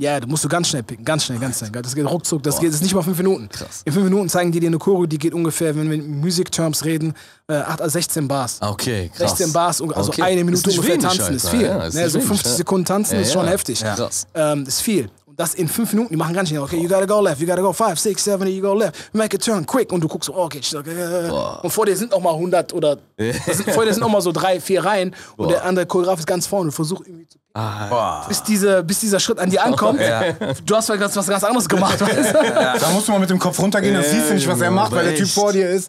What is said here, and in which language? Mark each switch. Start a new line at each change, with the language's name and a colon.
German: Ja, das musst du ganz schnell picken. Ganz schnell, ganz schnell. Das geht ruckzuck. Das geht, das ist nicht mal 5 Minuten. Krass. In 5 Minuten zeigen die dir eine Choreo, die geht ungefähr, wenn wir in Music-Terms reden, 16 Bars. Okay, krass. 16 Bars, also eine Minute ungefähr wenig, tanzen, Alter. Ist viel. Ja, ist so 50 wenig. Sekunden tanzen ist schon heftig. Ja. Krass. Ist viel. Und das in 5 Minuten, die machen ganz schnell.
English: Okay, you gotta go left, you gotta go 5, 6, 7, 8, you go left. Make a turn, quick.
German: Und du guckst, okay. Boah. Und vor dir sind noch mal 100 oder, vor dir sind noch mal so 3, 4 Reihen. Boah. Und der andere Choreograf ist ganz vorne und versucht irgendwie zu... Bis dieser Schritt an dir ankommt, du hast vielleicht was ganz anderes gemacht. Weißt? Da musst du mal mit dem Kopf runtergehen, dann siehst du nicht, was er macht, weil der Typ vor dir ist.